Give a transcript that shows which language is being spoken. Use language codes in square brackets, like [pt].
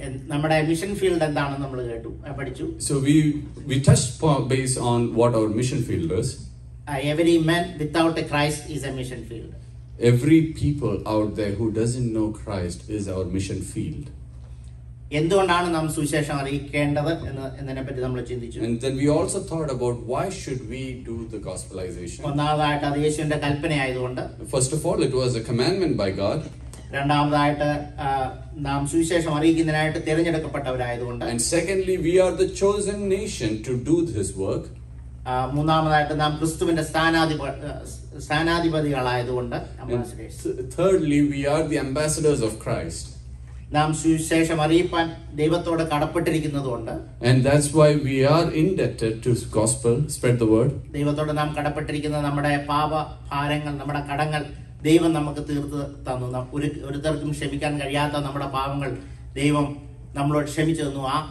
[ml] നമ്മുടെ mission field എന്താണെന്ന് നമ്മൾ കേട്ടു, പഠിച്ചു. [en] So we touched base on what our mission field is. Every man without a Christ is a mission field. Every people out there who doesn't know Christ is our mission field. [ml] എന്തുകൊണ്ടാണ് നാം സുവിശേഷം അറിയിക്കേണ്ടത് എന്നതിനെ പറ്റി നമ്മൾ ചിന്തിച്ചു. [en] And then we also thought about why should we do the gospelization. [ml] ഒന്നാമതായിട്ട് അത് യേശുവിന്റെ കൽപ്പനയായതുകൊണ്ട്. [en] First of all, it was a commandment by God. [ml] രണ്ടാമതായിട്ട് നാം സുവിശേഷം അറിയിക്കുന്നതിനായിട്ട് തിരഞ്ഞെടുക്കപ്പെട്ടവരായതുകൊണ്ട്. [en] And secondly, we are the chosen nation to do this work. [ml] മൂന്നാമതായിട്ട് നാം ക്രിസ്തുവിന്റെ സ്ഥാനാധിപതികളായതുകൊണ്ട്. [en] Thirdly, we are the ambassadors of Christ. [ml] നാം സുവിശേഷം അറിയിപ്പാൻ ദൈവത്തോട് കടപ്പെട്ടിരിക്കുന്നതുകൊണ്ട്. [en] And that's why we are indebted to gospel, spread the word. [ml] ദൈവത്തോട് നാം കടപ്പെട്ടിരിക്കുന്ന നമ്മുടെ പാപ ഭാരങ്ങൾ, നമ്മുടെ കടങ്ങൾ ദൈവം നമുക്ക് തീർത്തു തന്നു. ഒരുത്തർക്കും ക്ഷമിക്കാൻ കഴിയാത്ത നമ്മുടെ പാപങ്ങൾ ദൈവം നമ്മളോട് ക്ഷമിച്ചു തന്നു.